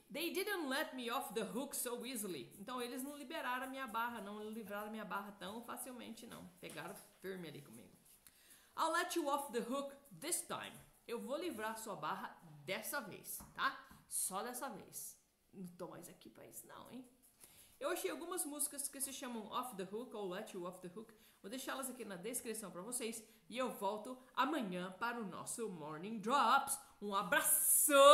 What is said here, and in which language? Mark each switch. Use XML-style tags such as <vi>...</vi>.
<en>They didn't let me off the hook so easily.</en> <pt>Então, eles não liberaram a minha barra, não livraram a minha barra tão facilmente, não. Pegaram firme ali comigo.</pt> <en>I'll let you off the hook this time.</en> <pt>Eu vou livrar a sua barra dessa vez, tá? Só dessa vez. Não tô mais aqui pra isso não, hein? Eu achei algumas músicas que se chamam Off the Hook ou Let You Off the Hook. Vou deixá-las aqui na descrição pra vocês. E eu volto amanhã para o nosso Morning Drops. Um abraço!</pt>